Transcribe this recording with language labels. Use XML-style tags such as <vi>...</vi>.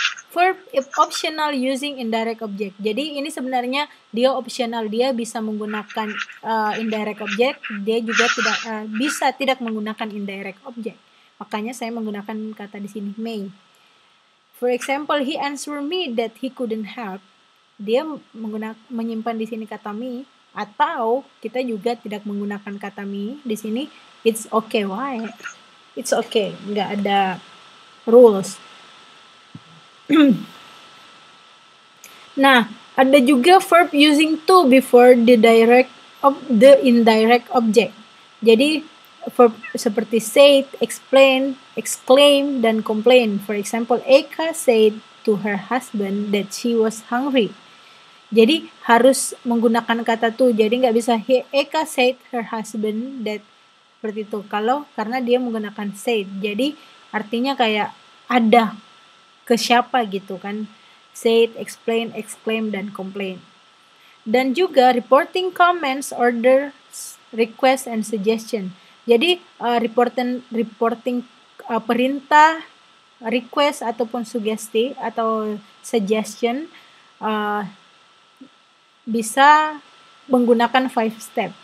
<en>Verb optional using indirect object.</en> <id>Jadi ini sebenarnya dia optional, dia bisa menggunakan indirect object, dia juga tidak bisa tidak menggunakan indirect object. Makanya saya menggunakan kata di sini may.</id> <en>For example, he answered me that he couldn't help.</en> <id>Dia menyimpan di sini kata me, atau kita juga tidak menggunakan kata me di sini.</id> <en>It's okay, why? It's okay,</en> <id>nggak ada</id> <en>rules.</en> <id>Nah, ada juga</id> <en>verb using to before the indirect object.</en> <id>Jadi verb seperti said, explain, exclaim, dan complain.</id> <en>For example, Eka said to her husband that she was hungry.</en> <id>Jadi harus menggunakan kata to. Jadi nggak bisa</id> <en>Eka said her husband that,</en> <id>seperti itu. Kalau karena dia menggunakan said, jadi artinya kayak ada ke siapa gitu kan.</id> <en>Said, explain, exclaim, dan complain.</en> <id>Dan juga</id> <en>reporting comments, orders, request, and suggestion.</en> <id>Jadi reporting perintah, request, ataupun sugesti atau suggestion bisa menggunakan five step.</id>